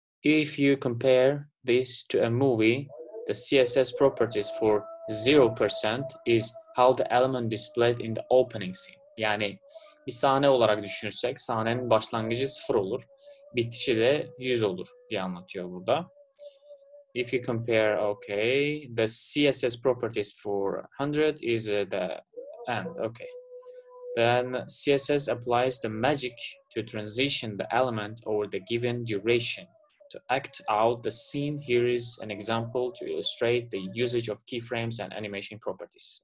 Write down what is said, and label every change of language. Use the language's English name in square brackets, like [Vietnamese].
[English] If you compare this to a movie, the CSS properties for 0% is how the element displayed in the opening scene. [Turkish] Yani bir sahne olarak düşünürsek sahnenin başlangıcı 0 olur, bitişi de 100 olur diye anlatıyor burada. [English] If you compare, okay, the CSS properties for 100 is the and okay. Then CSS applies the magic to transition the element over the given duration to act out the scene. Here is an example to illustrate the usage of keyframes and animation properties.